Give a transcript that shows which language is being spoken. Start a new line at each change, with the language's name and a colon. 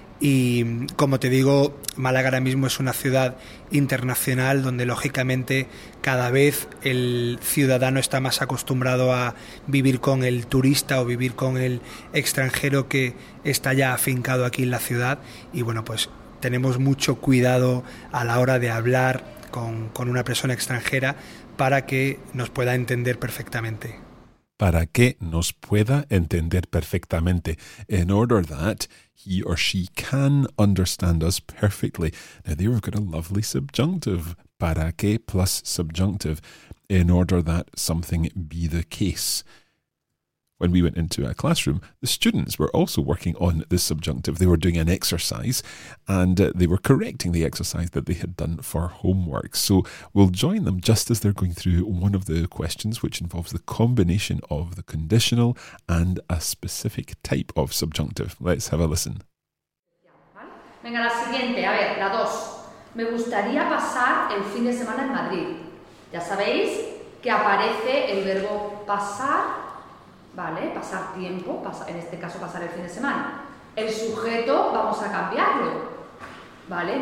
Spanish: Y como te digo, Málaga ahora mismo es una ciudad internacional donde lógicamente cada vez el ciudadano está más acostumbrado a vivir con el turista o vivir con el extranjero que está ya afincado aquí en la ciudad. Y bueno, pues tenemos mucho cuidado a la hora de hablar con una persona extranjera para que nos pueda entender perfectamente. Para que nos pueda entender perfectamente.
English: In order that he or she can understand us perfectly. Now, there we've got a lovely subjunctive.
Spanish: Para que
English: plus subjunctive. In order that something be the case. When we went into a classroom, the students were also working on this subjunctive. They were doing an exercise and they were correcting the exercise that they had done for homework. So we'll join them just as they're going through one of the questions, which involves the combination of the conditional and a specific type of subjunctive. Let's have a listen.
Spanish: Venga, la siguiente, a ver, la dos. Me gustaría pasar el fin de semana en Madrid. Ya sabéis que aparece el verbo pasar. ¿Vale? Pasar tiempo, en este caso pasar el fin de semana. El sujeto vamos a cambiarlo, ¿vale?